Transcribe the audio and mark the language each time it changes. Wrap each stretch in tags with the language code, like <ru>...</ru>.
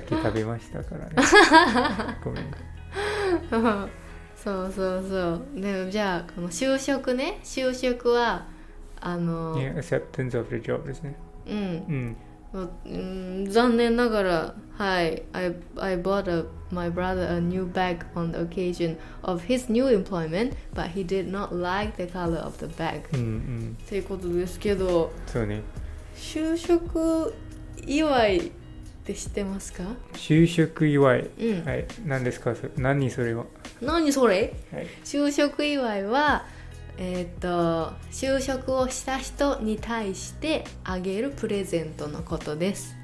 <ja>っき食べましたからね。ごめん。そうそうそう。でもじゃあこの就職ね、就職はあの、</ja> <en>yeah, acceptance of the job</en> <ja>ですね。うん。うん、残念ながら、はい、</ja> <en>I bought my brother a new bag on the occasion of his new employment, but he did not like the color of the bag.</en> <ja>うんうん。っていうことですけど。そうね。就職祝いって知ってますか？就職祝い、うん、はい、何ですか？何それは？何それ？はい、就職祝いは就職をした人に対してあげるプレゼントのことです。</ja>